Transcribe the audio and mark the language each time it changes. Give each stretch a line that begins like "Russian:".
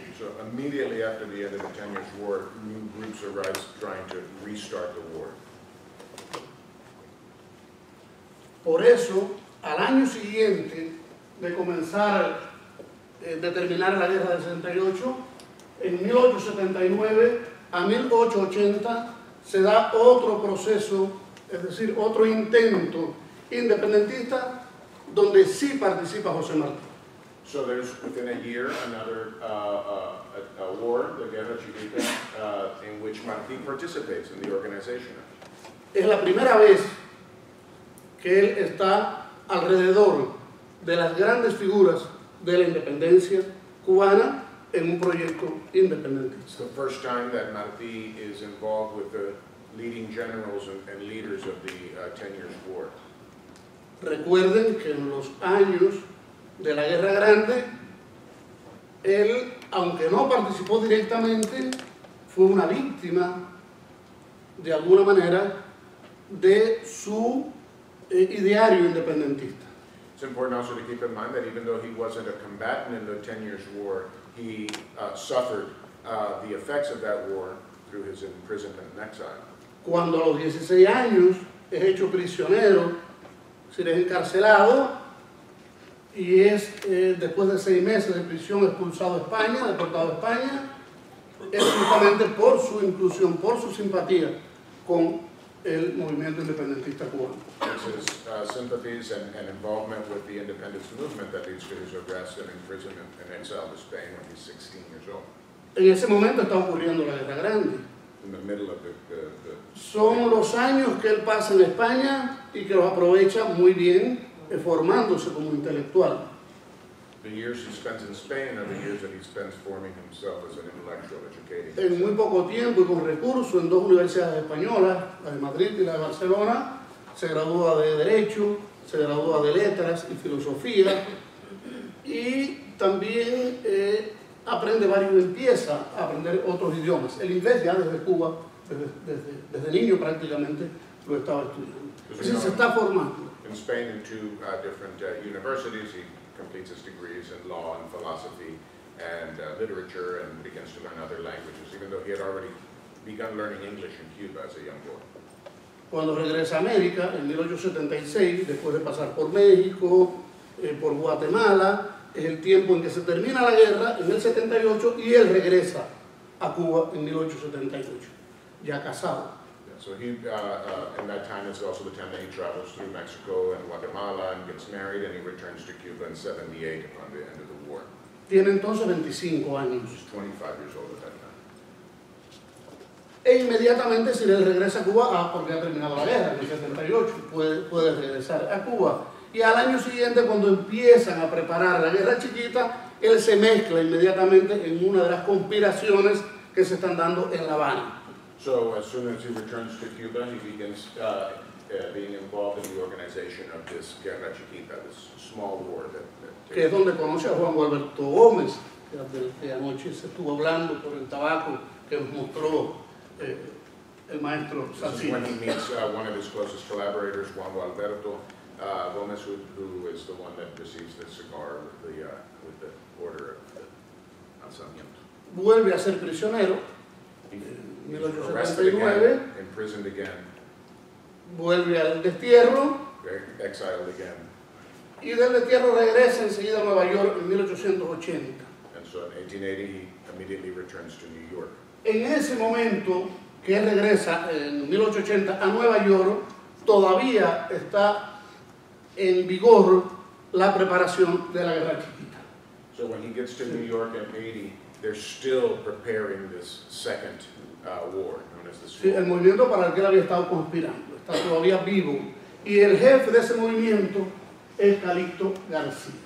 English: So immediately after the end of the 10 years war, new groups arise trying to restart the war.
Spanish: Por eso, al año siguiente de comenzar, de terminar la guerra del 68, en 1879 a 1880 se da otro proceso, es decir, otro intento independentista donde sí participa José Martí.
English: So there's within a year another war, the Guerra Chiquita, in which Martí participates in the organization.
Spanish: Es la primera vez que él está alrededor de las grandes figuras de la independencia cubana en un proyecto independiente.
English: It's the first time that Martí is involved with the leading generals and leaders of the 10 years war.
Spanish: Recuerden que en los años de la Guerra Grande, él, aunque no participó directamente, fue una víctima, de alguna manera, de su ideario independentista.
English: It's important also to keep in mind that even though he wasn't a combatant in the 10 years war, he suffered the effects of that war through his imprisonment and exile.
Spanish: Cuando a los 16 años es hecho prisionero, se le es encarcelado, y es después de 6 meses de prisión expulsado de España, deportado de España, es justamente por su inclusión, por su simpatía con el movimiento independentista cubano.
English: It's his sympathies and involvement with the independence movement that leads to his arrest and imprisonment and exile to Spain when he's 16 years old.
Spanish: En ese momento está ocurriendo la Guerra Grande.
English: In the middle of the...
Spanish: Son los años que él pasa en España y que los aprovecha muy bien formándose como intelectual.
English: The years he spends in Spain are the years that he spends forming himself as an intellectual, educating himself.
Spanish: En muy poco tiempo y con recursos en 2 universidades españolas, la de Madrid y la de Barcelona, se gradúa de Derecho, se gradúa de Letras y Filosofía, y también aprende varios, empieza a aprender otros idiomas. El inglés ya desde Cuba, desde niño prácticamente, lo estaba estudiando. Así se está formando.
English: In Spain, in two different universities, he completes his degrees in law and philosophy and literature and begins to learn other languages, even though he had already begun learning English in Cuba as a young boy.
Spanish: Cuando regresa a América, en 1876, después de pasar por México, por Guatemala, es el tiempo en que se termina la guerra, en el 78, y él regresa a Cuba en 1878, ya casado.
English: So he, in that time, it's also the time that he travels through Mexico and Guatemala and gets married, and he returns to Cuba in 78 upon the end of the war.
Spanish: Tiene entonces 25 años.
English: He's 25 years old at that time.
Spanish: E inmediatamente se le regresa a Cuba, porque ha terminado la guerra, en 78, puede regresar a Cuba. Y al año siguiente, cuando empiezan a preparar la guerra chiquita, él se mezcla inmediatamente en una de las conspiraciones que se están dando en La Habana.
English: So as soon as he returns to Cuba, he begins being involved in the organization of this Guerra Chiquita, this small war that
Spanish: que es donde conoce a Juan Gualberto Gómez, que anoche se estuvo hablando por el tabaco que mostró el maestro Salsina.
English: This is when he meets one of his closest collaborators, Juan Gualberto Gómez, who is the one that receives the cigar with the order of the lanzamiento.
Spanish: Vuelve a ser prisionero.
English: Again, imprisoned again.
Spanish: Vuelve al destierro.
English: Exiled again.
Spanish: Y del destierro regresa enseguida a Nueva York en 1880.
English: And so in 1880 he immediately returns to New York.
Spanish: En ese momento que él regresa en 1880 a Nueva York, todavía está en vigor la preparación de la Guerra Chiquita.
English: So when he gets to New York in 1880, they're still preparing this second war, known as the
Spanish: Sí, el movimiento para el que él había estado conspirando está todavía vivo, y el jefe de ese movimiento es Calixto García.